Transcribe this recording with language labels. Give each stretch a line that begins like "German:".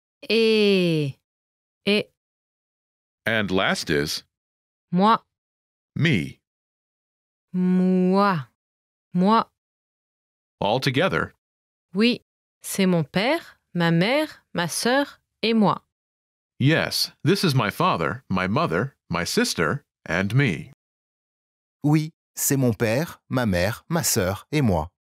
French: et.
English: And last is
French: moi.
English: Me.
French: Moi. Moi.
English: All together.
French: Oui, c'est mon père, ma mère, ma sœur et moi.
English: Yes, this is my father, my mother, my sister, and me.
French: Oui, c'est mon père, ma mère, ma sœur et moi.